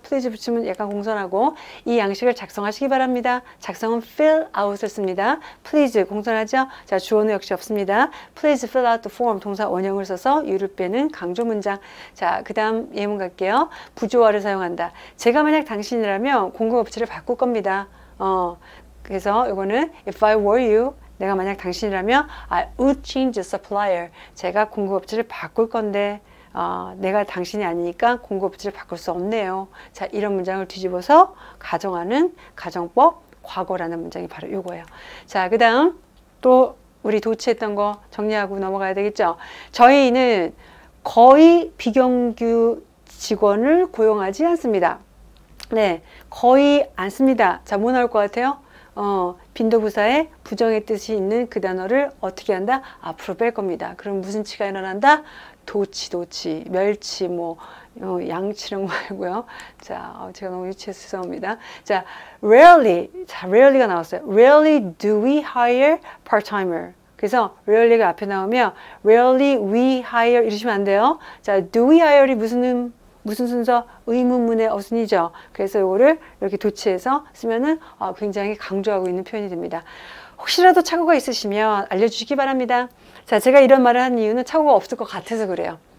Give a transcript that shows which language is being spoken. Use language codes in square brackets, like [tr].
[ko] Please 붙이면 약간 공손하고 이 양식을 작성하시기 바랍니다. 작성은 fill out을 씁니다. Please 공손하죠? 자, 주어는 역시 없습니다. [en] Please fill out the form. [ko] 동사 원형을 써서 유를 빼는 강조 문장. 자, 그다음 예문 갈게요. 부조화를 사용한다. 제가 만약 당신이라면 공급업체를 바꿀 겁니다. 그래서 이거는 [en] if I were you. [ko] 내가 만약 당신이라면 [en] I would change the supplier. [ko] 제가 공급업체를 바꿀 건데 내가 당신이 아니니까 공급업체를 바꿀 수 없네요. 자, 이런 문장을 뒤집어서 가정하는 가정법 과거라는 문장이 바로 이거예요. 자, 그다음 또 우리 도치했던 거 정리하고 넘어가야 되겠죠? 저희는 거의 비경규 직원을 고용하지 않습니다. 네, 거의 안 씁니다. 자, 뭐 나올 것 같아요? 빈도부사에 부정의 뜻이 있는 그 단어를 어떻게 한다? 앞으로 뺄 겁니다. 그럼 무슨 치가 일어난다? 도치, 도치, 멸치, 양치 이런 거 말고요. 자, 제가 너무 유치해서 죄송합니다. 자, rarely, 자, rarely가 나왔어요. [en] Rarely do we hire part-timer. [ko] 그래서 rarely가 앞에 나오면 [en] rarely we hire [ko] 이러시면 안 돼요. 자, [en] do we hire [ko] 이 무슨 순서? 의문문의 어순이죠. 그래서 이거를 이렇게 도치해서 쓰면은 굉장히 강조하고 있는 표현이 됩니다. 혹시라도 착오가 있으시면 알려주시기 바랍니다. 자, 제가 이런 말을 한 이유는 착오가 없을 것 같아서 그래요.